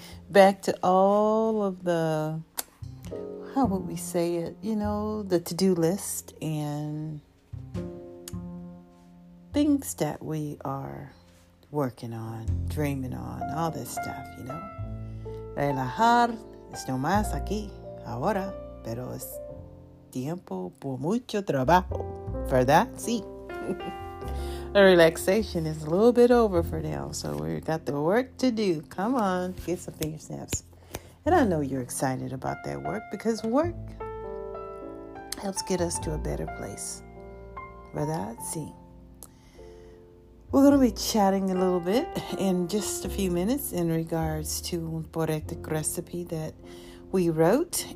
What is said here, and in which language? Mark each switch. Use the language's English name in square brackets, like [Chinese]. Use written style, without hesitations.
[English] Back to all of the, how would we say it? You know, the to-do list and things that we are working on, dreaming on, all this stuff, you know. [Spanish] Relajar es no más aquí, ahora, pero es tiempo por mucho trabajo, ¿verdad? Sí. [English] The relaxation is a little bit over for now, so we've got the work to do. Come on, get some finger snaps. And I know you're excited about that work, because work helps get us to a better place, ¿verdad? Sí. We're going to be chatting a little bit in just a few minutes in regards to un poetic recipe that we wrote.